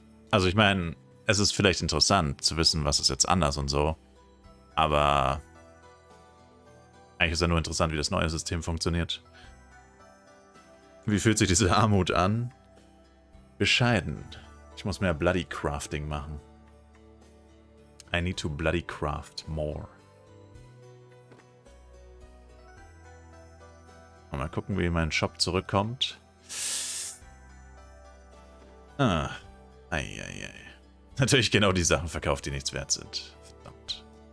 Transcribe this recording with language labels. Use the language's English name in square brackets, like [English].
[German] Also ich meine, es ist vielleicht interessant zu wissen, was ist jetzt anders und so, aber eigentlich ist ja nur interessant, wie das neue System funktioniert. Wie fühlt sich diese Armut an? Bescheiden. Ich muss mehr Bloody Crafting machen. [English] I need to Bloody Craft more. [German] Mal gucken, wie mein Shop zurückkommt. Eieiei. Natürlich genau die Sachen verkauft, die nichts wert sind. Verdammt.